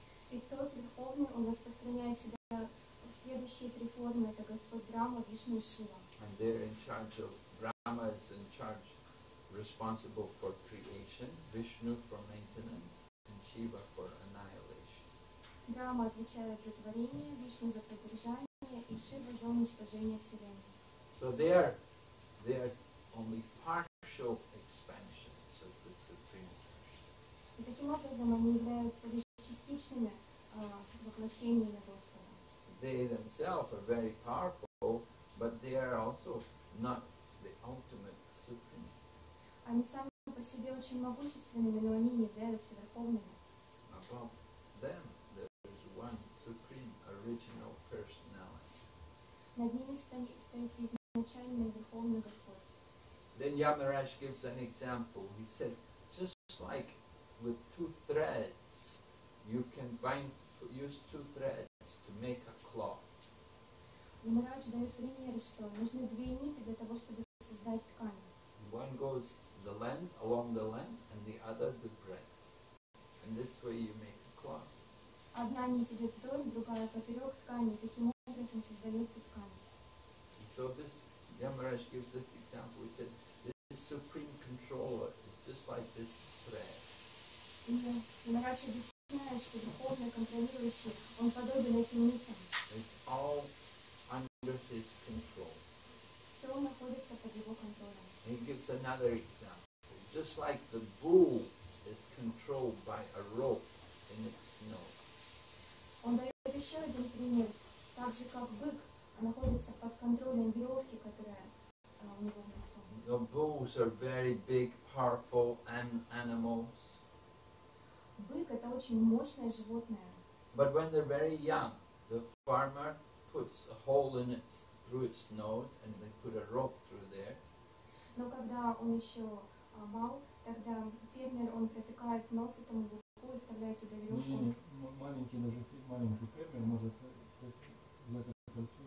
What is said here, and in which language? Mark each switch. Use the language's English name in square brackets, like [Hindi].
[English] And they're in charge of, Brahma is in charge, responsible for creation, Vishnu for maintenance and Shiva for annihilation. [Russian] Брама отвечает за творение, Вишну за поддержание и Шива за уничтожение вселенной. [English] So they are only partial expansions of the Supreme Person. [Russian] И таким образом они являются лишь частичными воплощениями Господа. [English] They themselves are very powerful, but they are also not the ultimate Supreme. [Russian] Они сами по себе очень могущественными, но они не являются верховными. [English] Above them, one supreme original personality. [Russian] Над ними стоит изначальный верховный Господь. [English] Then Yamaraj gives an example. He said, just like with two threads, you can bind, use two threads to make a cloth. [Russian] Yamaraj дает пример, что нужны две нити для того, чтобы создать ткань. [English] One goes the length along the length, and the other the breadth, and this way you make a cloth. [Russian] Одна нить идет вдоль, другая поперек ткани. Таким образом создается ткань. [English] So this Yamaraj gives this example. He said, this supreme controller is just like this thread. [Russian] Yamaraj объясняет, что духовный контролирующий, он подобен этим нитям. [English] It's all under his control. [Russian] Все находится под его контролем. [English] He gives another example. Just like the bull is controlled by a rope in its nose. [Russian] Он дает еще один пример, так же как бык находится под контролем веревки, которая у него в носу. [English] The bulls are very big, powerful animals. [Russian] Бык это очень мощное животное. [English] But when they're very young, the farmer puts a hole in it through its nose and they put a rope through there. [Russian] Но когда он еще мал, тогда фермер он протыкает нос этому быку. Маленький, даже маленький фермер может в это кольцо.